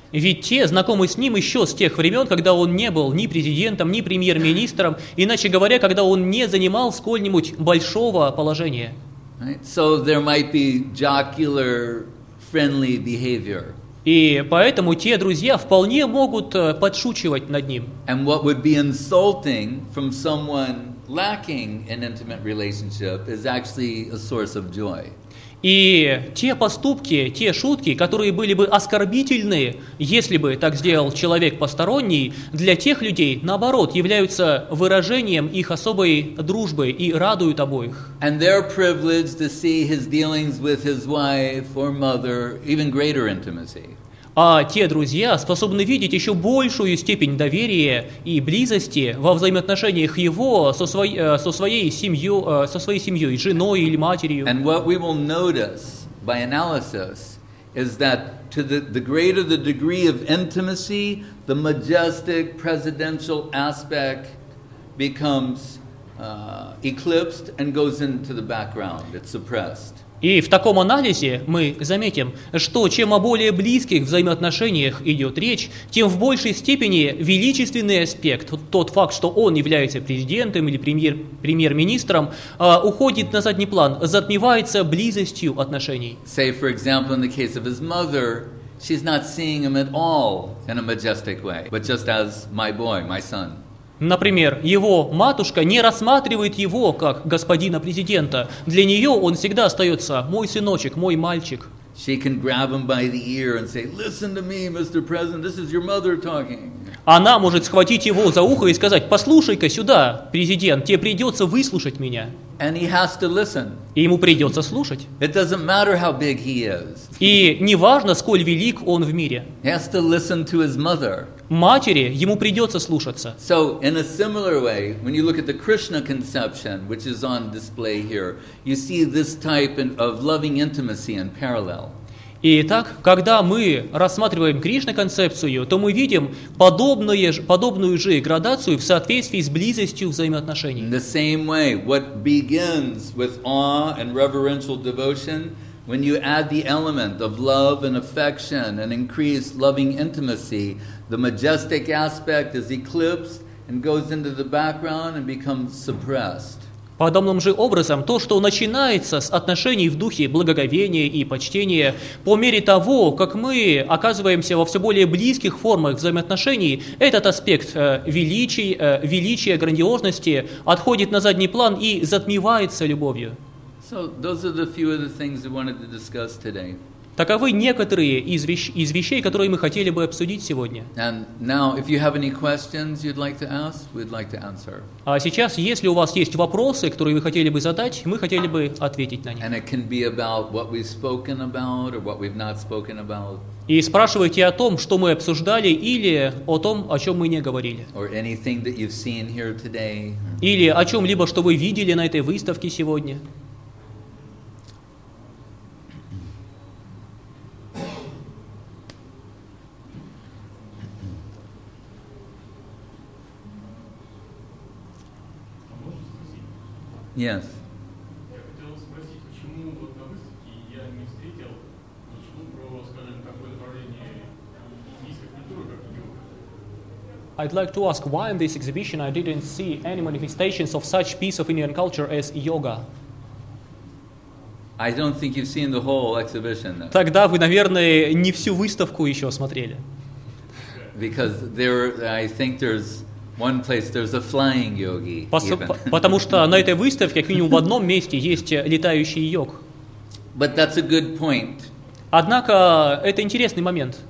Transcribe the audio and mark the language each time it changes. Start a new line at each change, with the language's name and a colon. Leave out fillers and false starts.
Russian: Ведь те знакомы с ним еще с тех времен, когда он не был ни президентом, ни премьер-министром, иначе говоря, когда он не занимал сколь-нибудь большого положения.
English: Right? So there might be jocular, friendly behavior.
Russian: И поэтому те друзья вполне могут подшучивать над ним.
English: And what would be insulting from someone lacking an intimate relationship is actually a source of joy.
Russian: И те поступки, те шутки, которые были бы оскорбительны, если бы так сделал человек посторонний, для тех людей, наоборот, являются выражением их особой дружбы и радуют обоих.
English: And they're privileged to see his dealings with his wife or mother even greater intimacy.
Russian: А те друзья способны видеть еще большую степень доверия и близости во взаимоотношениях его со своей семьей, женой или матерью.
English: And what we will notice by analysis is that to the greater the degree of intimacy, the majestic presidential aspect becomes eclipsed and goes into the background. It's suppressed.
Russian: И в таком анализе мы заметим, что чем о более близких взаимоотношениях идет речь, тем в большей степени величественный аспект, тот факт, что он является президентом или премьер-министром, уходит на задний план, затмевается близостью отношений.
English: Say, for example, in the case of his mother, she's not seeing him at all in a majestic way, but just as my boy, my son.
Russian: Например, его матушка не рассматривает его как господина президента. Для нее он всегда остается мой сыночек, мой мальчик.
English: She can grab him by the ear and say, "Listen to me, Mr. President, this is your mother talking."
Russian: Она может схватить его за ухо и сказать: "Послушай-ка сюда, президент, тебе придется выслушать меня."
English: And he has to listen.
Russian: И ему придется слушать.
English: It doesn't matter how big he is.
Russian: И не важно, сколь велик он в мире.
English: He has to listen to his mother.
Russian: Матери ему придется слушаться.
English: So, in a similar way, when you look at the Krishna conception, which is on display here, you see this type of loving intimacy in parallel.
Russian: Итак, когда мы рассматриваем Кришна-концепцию, то мы видим подобную же градацию в соответствии с близостью взаимоотношений.
English: The same way, what begins with awe and reverential devotion, when you add the element of love and affection and increased loving intimacy, the majestic aspect is eclipsed and goes into the background and becomes suppressed.
Russian: Подобным же образом, то, что начинается с отношений в духе благоговения и почтения, по мере того, как мы оказываемся во все более близких формах взаимоотношений, этот аспект величия, грандиозности отходит на задний план и затмевается любовью.
English: So those are the few of the things we wanted to discuss today.
Russian: Таковы некоторые из вещей, которые мы хотели бы обсудить сегодня.
English: And now, if you have any questions you'd like to ask, we'd like to answer.
Russian: А сейчас, если у вас есть вопросы, которые вы хотели бы задать, мы хотели бы ответить на них.
English: And it can be about what we've spoken about or what we've not spoken about.
Russian: И спрашивайте о том, что мы обсуждали, или о том, о чем мы не говорили.
English: Or anything that you've seen here today.
Russian: Или о чем-либо, что вы видели на этой выставке сегодня.
English: Yes.
Russian: Я хотел спросить, почему вот на выставке я не встретил ничего про, скажем, такое направление индийской культуры, как йога.
English: I'd like to ask why in this exhibition I didn't see any manifestations of such piece of Indian culture as yoga. I don't think you've seen the whole exhibition.
Russian: Тогда вы, наверное, не всю выставку еще смотрели.
English: Because there, I think there's one place, there's a flying yogi.
Russian: Потому что на этой выставке, как минимум в одном месте, есть летающий йог.
English: But that's a good point.
Russian: Однако это интересный момент.